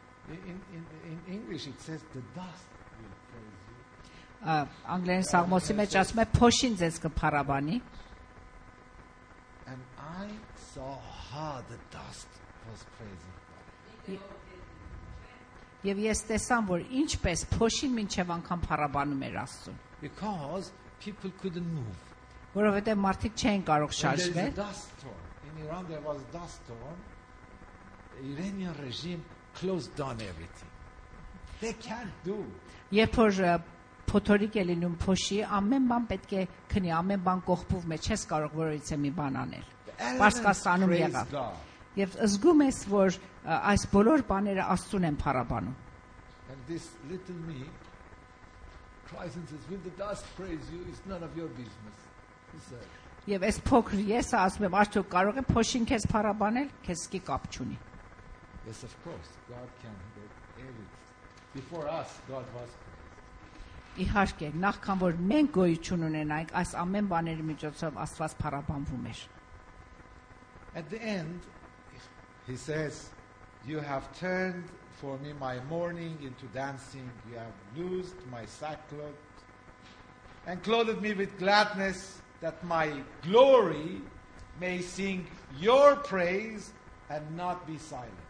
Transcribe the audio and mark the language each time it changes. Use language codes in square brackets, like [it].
[en] in English it says the dust will praise you [hy] անգլերեն սաղմոսի մեջ ասում է փոշին ձեզ կփառաբանի [en] and I saw how the dust was praising [hy] Եվ ես տեսամ, որ ինչպես փոշին մինչև անգամ փառաբանում էր Աստծուն։ [en] Because people couldn't move. [hy] Որովհետև մարդիկ չէին կարող շարժվել։ [en] There was a dust storm. In Iran there was a dust storm. The Iranian regime closed down everything. They can't do. [hy] Երբ որ փոթորիկ է լինում փոշի, ամեն բան պետք է քնի, ամեն բան կողպով մեջ չես կարող որից է մի բան անել։ Պարսկաստանում եղավ։ Եվ զգում ես, որ այս բոլոր բաները Աստծուն են փառաբանում։ [en] And this little me cries and says, will the dust praise you? It's none of your business. [hy] Եվ ես փոքր ես ասում եմ, Աստուք կարող է փոշին քեզ փառաբանել, քեզ սկի կապ չունի։ [en] Yes, of course, God can do it. Before us, God was [hy] Իհարկե, նախքան որ մենք գոյություն ունենայինք, այս ամեն բաների միջոցով Աստված փառաբանվում էր։ [en] At the end, He says, you have turned for me my mourning into dancing. You have loosed my sackcloth and clothed me with gladness that my glory may sing your praise and not be silent.